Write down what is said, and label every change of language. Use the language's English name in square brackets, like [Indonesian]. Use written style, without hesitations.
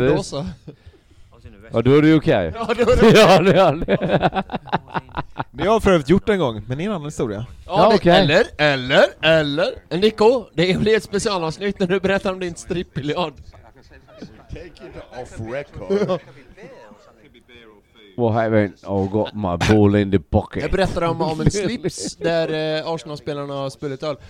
[Swedish] Men då så. Ja, då är det okej. Okay. Ja, då är det okej. Okay. Det har jag för övrigt gjort en gång, men det är en annan historia. Ja, ja, okay. Eller. Nico, det blir ett specialavsnitt när du berättar om din strippbiljard. [English] Take it off record. Well, I mean, I've got my ball in the pocket. [Swedish] Jag berättade om en slips där Arsenal-spelarna har spelat öl.